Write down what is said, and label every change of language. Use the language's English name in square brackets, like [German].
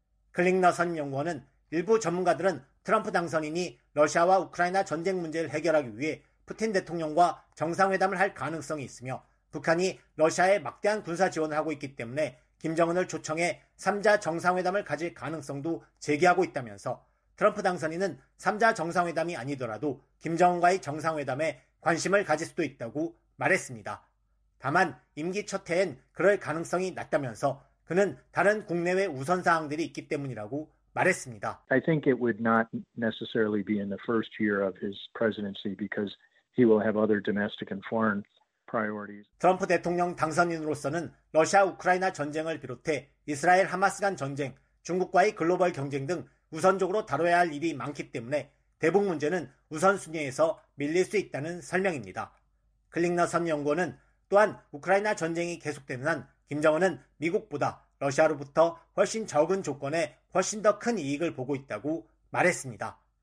[Korean] 클링너 선임연구원은 일부 전문가들은 트럼프 당선인이 러시아와 우크라이나 전쟁 문제를 해결하기 위해 푸틴 대통령과 정상회담을 할 가능성이 있으며 북한이 러시아에 막대한 군사 지원을 하고 있기 때문에 김정은을 초청해 3자 정상회담을 가질 가능성도 제기하고 있다면서 트럼프 당선인은 3자 정상회담이 아니더라도 김정은과의 정상회담에 관심을 가질 수도 있다고 말했습니다. 다만 임기 첫 해엔 그럴 가능성이 낮다면서 그는 다른 국내외 우선사항들이 있기 때문이라고 말했습니다. [English] I think it would not necessarily be in the first year of his presidency because he will have other domestic and foreign priorities. [Korean] 트럼프 대통령 당선인으로서는 러시아 우크라이나 전쟁을 비롯해 이스라엘 하마스 간 전쟁, 중국과의 글로벌 경쟁 등 우선적으로 다뤄야 할 일이 많기 때문에 대북 문제는 우선순위에서 밀릴 수 있다는 설명입니다. 클링너 선 연구원은 또한 우크라이나 전쟁이 계속되는 한 김정은은 미국보다 러시아로부터 훨씬 적은 조건에 훨씬 더 큰 이익을 보고 있다고 말했습니다.